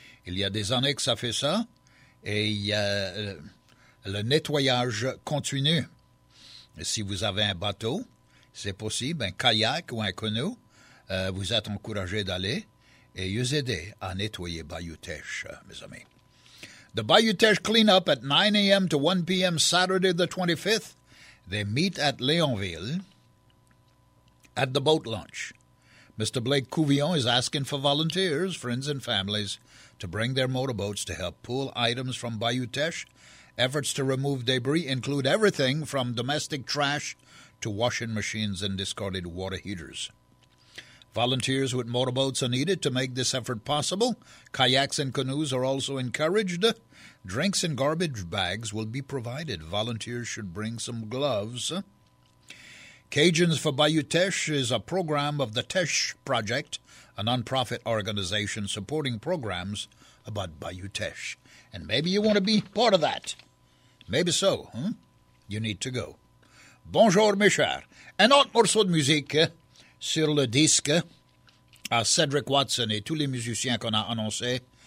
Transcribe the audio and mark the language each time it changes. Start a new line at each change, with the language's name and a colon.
French: Il y a des années que ça fait ça, et le nettoyage continue. Et si vous avez un bateau, c'est possible, un kayak ou un canot, vous êtes encouragé d'aller et vous aider à nettoyer Bayou Teche, mes amis.
English: The Bayou Teche Cleanup at 9 a.m. to 1 p.m. Saturday the 25th. They meet at Léonville at the boat launch. Mr. Blake Couvillon is asking for volunteers, friends and families, to bring their motorboats to help pull items from Bayou Teche. Efforts to remove debris include everything from domestic trash to washing machines and discarded water heaters. Volunteers with motorboats are needed to make this effort possible. Kayaks and canoes are also encouraged. Drinks and garbage bags will be provided. Volunteers should bring some gloves. Cajuns for Bayou Teche is a program of the Teche Project, a nonprofit organization supporting programs about Bayou Teche. And maybe you want to be part of that. Maybe so, huh? You need to go.
French: Bonjour, mes chers. Un autre morceau de musique sur le disque à Cedric Watson et tous les musiciens qu'on a annoncés.